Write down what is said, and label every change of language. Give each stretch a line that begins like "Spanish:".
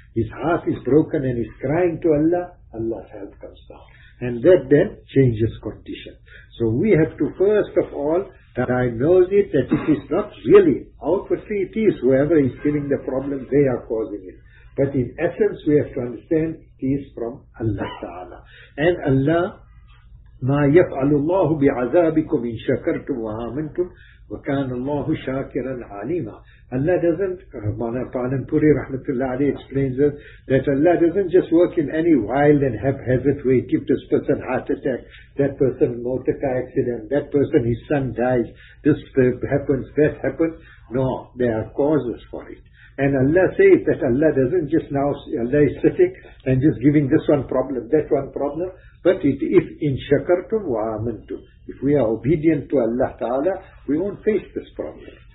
English: His heart is broken and he's crying to Allah. Allah's help comes down. And that then changes condition. So we have to first of all diagnose it that it is not really, outwardly it is, whoever is giving the problem, they are causing it. But in essence we have to understand it is from Allah Ta'ala. And Allah,
Arabic: مَا يَفْعَلُ اللَّهُ بِعَذَابِكُمْ إِنْ شَكَرْتُمْ وَآمَنْتُمْ وَكَانَ اللَّهُ شَاكِرًا عَلِيمًا.
English: Allah doesn't, Manapanan Puri Rahmatullah Ali explains it, that Allah doesn't just work in any wild and haphazard way, give this person heart attack, that person motor car accident, that person his son dies, this happens, that happens. No, there are causes for it. And Allah says that Allah doesn't just now, Allah is sitting and just giving this one problem, that one problem, but it, if
Arabic: in shakartum wa amantum,
English: if we are obedient to Allah Ta'ala, we won't face this problem.